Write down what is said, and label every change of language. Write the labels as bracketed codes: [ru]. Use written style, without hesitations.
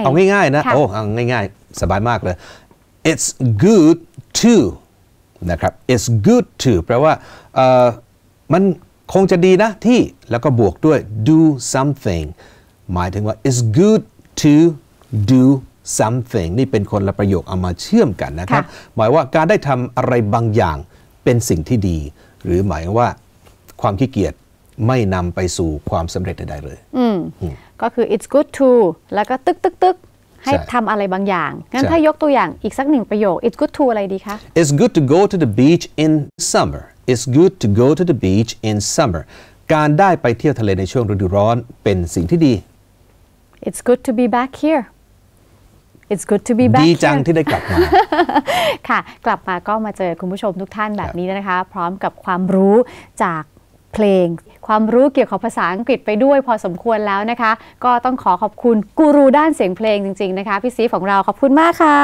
[th] ๆเอาง่ายๆนะโอ้เอาง่ายๆสบายมากเลย it's good to นะครับ it's good to แปลว่ามันคงจะดีนะที่แล้วก็บวกด้วย do something หมายถึงว่า [en] it's good to do something [th] นี่เป็นคนละประโยคเอามาเชื่อมกันนะครับหมายว่าการได้ทำอะไรบางอย่างเป็นสิ่งที่ดีหรือหมายว่าความขี้เกียจไม่นำไปสู่ความสำเร็จใดๆเลย ก็คือ it's good to แล้วก็ตึกตึกตึกให้ทำอะไรบางอย่างงั้นถ้ายกตัวอย่างอีกสักหนึ่งประโยค it's good to อะไรดีคะ [en] it's good to go to the beach in summerIt's good to go to the beach in summer. [th] การได้ไปเที่ยวทะเลในช่วงฤดูร้อนเป็นสิ่งที่ดี [en] It's good to be back here. It's good to be back [th] ดี จังที่ได้กลับมา ค่ะกลับมาก็มาเจอคุณผู้ชมทุกท่านแบบนี้นะคะพร้อมกับความรู้จากเพลงความรู้เกี่ยวกับภาษาอังกฤษไปด้วยพอสมควรแล้วนะคะก็ต้องขอขอบคุณกูรูด้านเสียงเพลงจริงๆนะคะพี่ซีฟของเราขอบคุณมากค่ะ